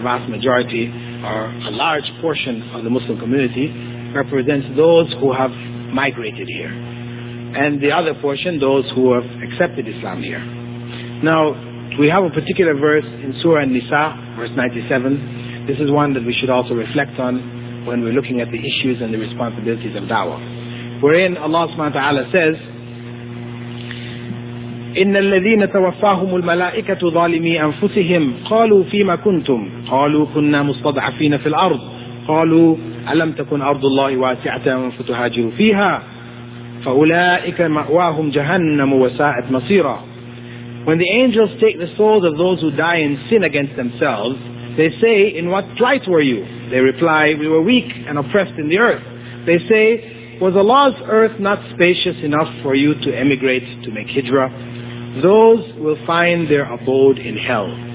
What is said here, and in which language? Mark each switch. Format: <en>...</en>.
<en>The vast majority, or a large portion of the Muslim community, represents those who have migrated here. And the other portion, those who have accepted Islam here. Now, we have a particular verse in Surah An-Nisa, verse 97. This is one that we should also reflect on when we're looking at the issues and the responsibilities of da'wah. Wherein Allah subhanahu wa ta'ala says,</en> <ar>إِنَّ الَّذِينَ تَوَفَّاهُمُ الْمَلَائِكَةُ ظَالِمِي أَنفُسِهِمْ قَالُوا فِيمَ كُنْتُمْ قَالُوا كُنَّا مُسْتَضْعَفِينَ فِي الْأَرْضِ قَالُوا أَلَمْ تَكُنْ أَرْضُ اللَّهِ وَاسِعَةً فَتُهَاجِرُوا فِيهَا فأولئك مأواهم جهنم وساءت مصيرا.</ar> <en>When the angels take the souls of those who die in sin against themselves, they say, in what plight were you? They reply, we were weak and oppressed in the earth. They say, was Allah's earth not spacious enough for you to emigrate to make hijra? Those will find their abode in hell.</en>